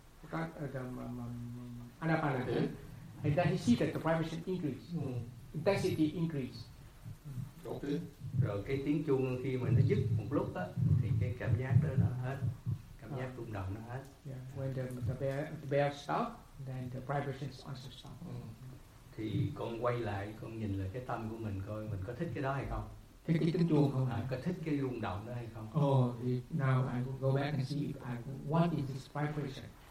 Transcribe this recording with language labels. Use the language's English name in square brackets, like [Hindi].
[English] And then he see that the vibration increase, intensity increase. Okay. [Vietnamese] Rồi cái tiếng chuông khi mà nó dứt một lúc á, thì cái cảm giác đó nó hết, cảm giác rung động nó hết. [English] Yeah. When the bell stop, then the vibration also stop. [Vietnamese] Thì con quay lại, con nhìn lại cái tâm của mình coi mình có thích cái đó hay không? Thích cái tiếng chuông không? Có thích cái rung động đó hay không? [English] Oh, now I will go back and see if I want is this vibration.